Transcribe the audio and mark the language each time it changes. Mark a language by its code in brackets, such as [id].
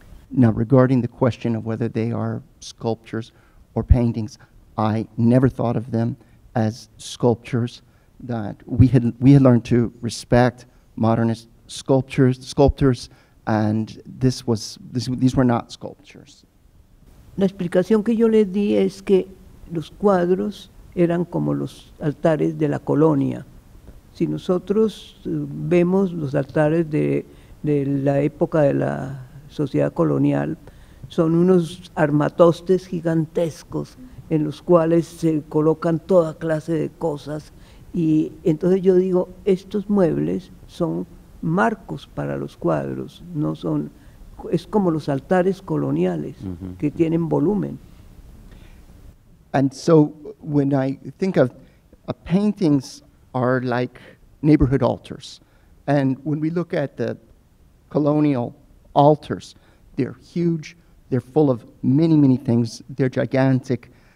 [en] Now, regarding the question of whether they are sculptures or paintings, I never thought of them as sculptures. That we had learned to respect modernist sculptors, and these were not sculptures. [es] La explicación que yo les di es que los cuadros eran como los altares de la colonia. Si nosotros vemos los altares de la época de la sociedad colonial, son unos armatostes gigantescos en los cuales se colocan toda clase de cosas. Y entonces yo digo, estos muebles son marcos para los cuadros, no son, es como los altares coloniales, mm-hmm, que tienen volumen. [en] And so when I think of paintings are like neighborhood altars. And when we look at the colonial altars, they're huge, they're full of many, many things, they're gigantic.